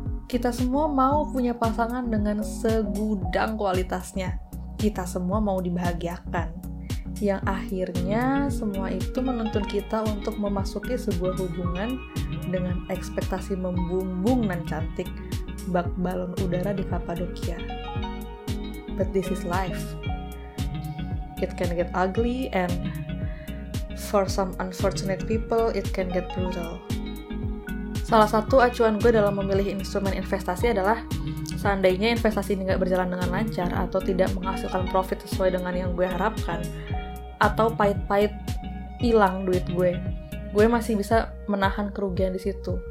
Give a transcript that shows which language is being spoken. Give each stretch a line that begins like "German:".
Indonesian: Kita semua mau punya pasangan dengan segudang kualitasnya. Kita semua mau dibahagiakan. Yang akhirnya semua itu menuntun kita untuk memasuki sebuah hubungan dengan ekspektasi membumbung dan cantik bak balon udara di Kapadokia.
English: But this is life. It can get ugly and for some unfortunate people it can get brutal.
Indonesian: Salah satu acuan gue dalam memilih instrumen investasi adalah seandainya investasi ini gak berjalan dengan lancar atau tidak menghasilkan profit sesuai dengan yang gue harapkan, atau pahit-pahit hilang duit gue masih bisa menahan kerugian di situ.